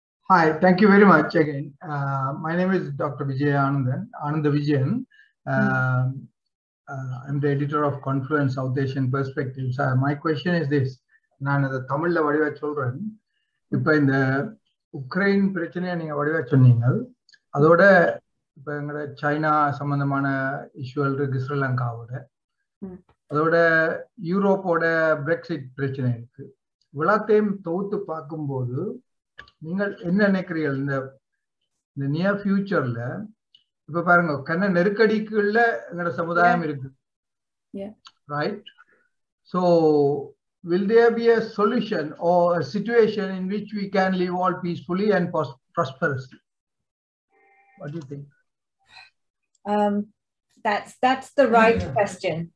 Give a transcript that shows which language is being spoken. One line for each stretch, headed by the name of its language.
English: Hi, thank you very much again. My name is Dr. Vijayanandan, Ananda Vijayan. I'm the editor of Confluence South Asian Perspectives. My question is this.
Tamil: நான் அதை தமிழ்ல வடிவா சொல்றேன். இப்ப இந்த Ukraine பிரச்சனையை நீங்க வடிவா சொன்னீங்க, அதோட இப்ப எங்களோட சைனா சம்பந்தமான இஷ்யூல் இருக்கு, ஸ்ரீலங்காவோட, அதோட யூரோப்போட பிரெக்ஸிட் பிரச்சனை இருக்கு. இவ்வளாத்தையும் தொகுத்து பார்க்கும்போது நீங்கள் என்ன நினைக்கிறீர்கள் இந்த நியர் ஃபியூச்சர்ல? இப்ப பாருங்க, கண்ண நெருக்கடிக்குள்ள எங்களோட சமுதாயம் இருக்கு, right?
English: So will there be a solution or a situation in which we can live all peacefully and prosperously? What do you think? That's the right question.